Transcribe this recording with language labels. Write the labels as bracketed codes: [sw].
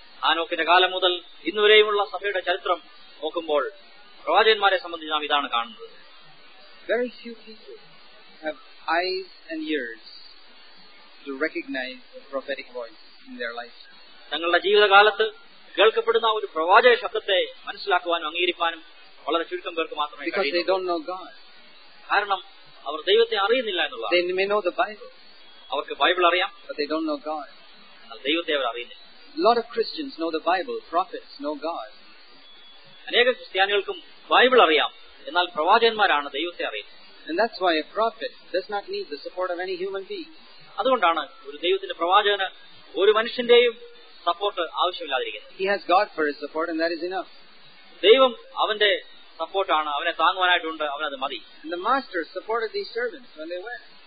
[ml] ആനോക്കിന്റെ കാലം മുതൽ ഇന്നുവരെയുമുള്ള സഭയുടെ ചരിത്രം നോക്കുമ്പോൾ പ്രവാചകന്മാരെ സംബന്ധിച്ച് നാം ഇതാണ് കാണുന്നത്. [en] Very few people have eyes and ears to recognize the prophetic voice in their life. [ml] തങ്ങളുടെ ജീവിതകാലത്ത് കേൾക്കപ്പെടുന്ന ഒരു പ്രവാചക ശബ്ദത്തെ മനസ്സിലാക്കുവാനും അംഗീകരിക്കാനും വളരെ ചുരുക്കം പേർക്ക് മാത്രമേ [en] because they don't know God. [ml] കാരണം അവർ ദൈവത്തെ അറിയുന്നില്ല എന്നുള്ളത്. [en] They may know the Bible. [ml] അവർക്ക് ബൈബിൾ അറിയാം. [en] But they don't know God. [ml] ദൈവത്തെ അവർ അറിയുന്നില്ല. [en] A lot of Christians know the Bible, prophets know God. [ml] അനേക ക്രിസ്ത്യാനികൾക്കും ബൈബിൾ അറിയാം. എന്നാൽ പ്രവാചകന്മാരാണ് ദൈവത്തെ അറിയുന്നത്. [en] And that's why a prophet does not need the support of any human being. [ml] അതുകൊണ്ടാണ് ഒരു ദൈവത്തിന്റെ പ്രവാചകന് ഒരു മനുഷ്യന്റെയും support ആവശ്യമില്ലാതിരിക്കുന്നത്. [en] He has God for his support and that is enough. [ml] ദൈവം അവന്റെ സപ്പോർട്ടാണ്, അവനെ താങ്ങുവാനായിട്ടുണ്ട്, അവനത് മതി. [en] And the master supported these servants when they went.